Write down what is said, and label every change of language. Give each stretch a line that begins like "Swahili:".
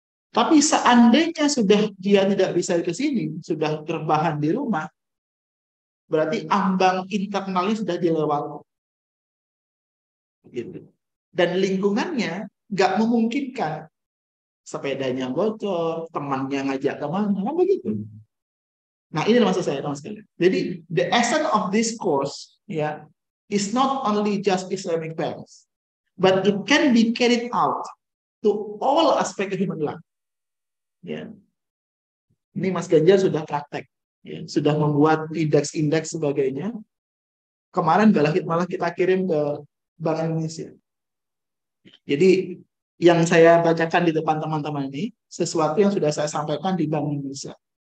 Indonesian: Tapi seandainya sudah dia tidak bisa ke sini, sudah terbahan di rumah, berarti ambang internalnya sudah dilewati. Gitu. Dan lingkungannya nggak memungkinkan sepedanya bocor, temannya ngajak kemana, kan begitu. Nah, ini maksud saya, teman sekalian.
English: Jadi, the essence of this course, ya, is not only just Islamic parents, but it can be carried out to all aspect of human life.
Indonesian: Ya, yeah. Ini Mas Ganjar sudah praktek, yeah. Sudah membuat indeks-indeks sebagainya. Kemarin malah kita kirim ke Bank Indonesia. Jadi yang saya bacakan di depan teman-teman ini sesuatu yang sudah saya sampaikan di Bank Indonesia.